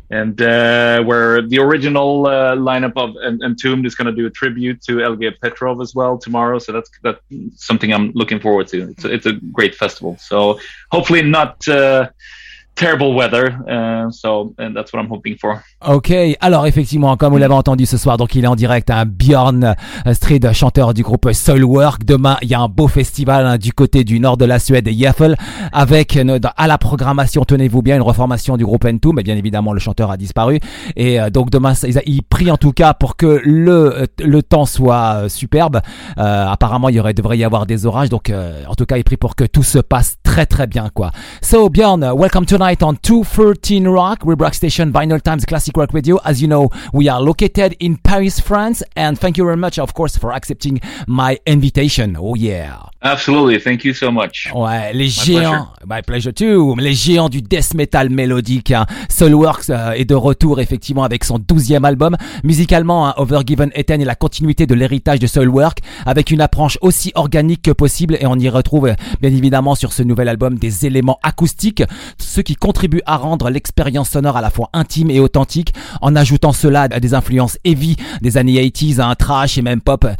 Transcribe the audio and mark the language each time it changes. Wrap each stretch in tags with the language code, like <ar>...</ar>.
<en>And where the original lineup of Entombed is going to do a tribute to Elge Petrov as well tomorrow. So that's something I'm looking forward to. It's a great festival. So hopefully not... Terrible weather, and that's what I'm hoping for.</en> <fr>Okay, alors effectivement, comme vous l'avez entendu ce soir, donc il est en direct, hein, Björn Strid, chanteur du groupe Soilwork. Demain, il y a un beau festival du côté du nord de la Suède, Gävle, avec à la programmation, tenez-vous bien, une reformation du groupe Entombed, mais bien évidemment, le chanteur a disparu. Et donc demain, il prie en tout cas pour que le temps soit superbe. Apparemment, il devrait y avoir des orages, donc en tout cas, il prie pour que tout se passe très très très bien quoi.</fr> <en>So Bjorn, welcome tonight on 213 Rock, Rebrock Station, Vinyl Times, Classic Rock Radio. As you know, we are located in Paris, France, and thank you very much, of course, for accepting my invitation. Oh yeah. Absolutely, thank you so much.</en> <fr>Ouais, les géants,</fr> <en>my pleasure too,</en> <fr>les géants du death metal mélodique. Hein. Soilwork est de retour effectivement avec son 12e album. Musicalement, hein, Overgiven Eden est la continuité de l'héritage de Soilwork avec une approche aussi organique que possible, et on y retrouve bien évidemment sur ce nouvel album des éléments acoustiques, ce qui contribue à rendre l'expérience sonore à la fois intime et authentique, en ajoutant cela à des influences heavy des années 80s, hein, trash et même pop.</fr>